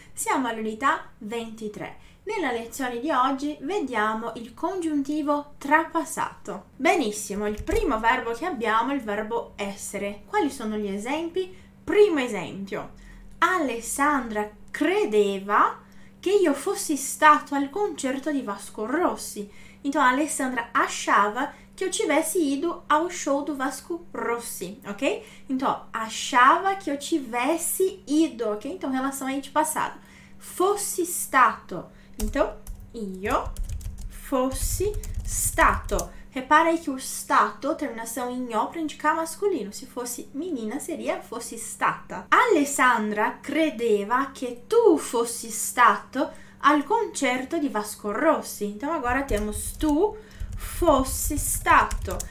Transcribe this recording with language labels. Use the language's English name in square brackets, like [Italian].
[Italian] Siamo all'unità 23. Nella lezione di oggi vediamo il congiuntivo trapassato. Benissimo, il primo verbo che abbiamo è il verbo essere. Quali sono gli esempi? Primo esempio: Alessandra credeva che io fossi stato al concerto di Vasco Rossi. [Portuguese] Então, Alessandra achava que eu tivesse ido ao show do Vasco Rossi, ok? Então, achava que eu tivesse ido, ok? Então, relação aí de passado. Fosse stato. Então, io fossi stato. Repara aí que o stato, terminação em o, para indicar masculino. Se fosse menina, seria fosse stata. [Italian] Alessandra credeva que tu fossi stato al concerto di Vasco Rossi. [Portuguese] Então agora temos tu fosse stato.